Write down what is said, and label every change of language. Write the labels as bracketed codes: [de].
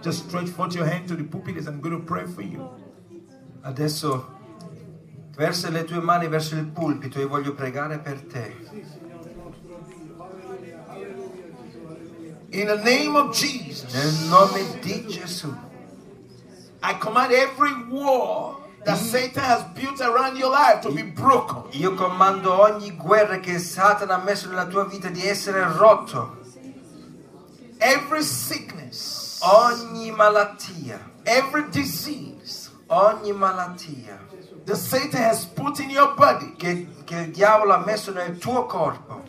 [en] Just stretch forth your hand to the pulpit and I'm going to pray for you. [it] Adesso versa le tue mani verso il pulpito e voglio pregare per te. [en] In the name of Jesus. [it] Nel nome di Gesù. [en] I command every war that Satan has built around your life to be broken. [it] Io comando ogni guerra che Satana ha messo nella tua vita di essere rotto. [en] Every sickness, [it] ogni malattia. [en] Every disease, [it] ogni malattia. [en] The Satan has put in your body, [it] che il diavolo ha messo nel tuo corpo.